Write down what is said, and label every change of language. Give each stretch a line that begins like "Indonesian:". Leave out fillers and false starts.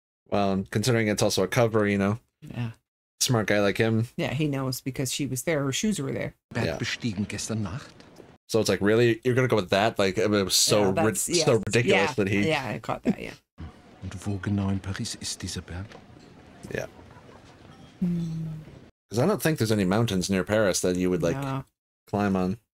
English: Well, considering it's also a cover, you know. Yeah. Smart guy like him. Yeah, he knows because she was there. Her shoes were there.
German: Bestiegen gestern Nacht.
English: So it's like, really? You're going to go with that? Like, I mean, it was so, so ridiculous that he... Yeah, I caught that, yeah.
German: Und wo genau in Paris ist dieser Berg?
English: Yeah. Because I don't think there's any mountains near Paris that you would, like, climb on.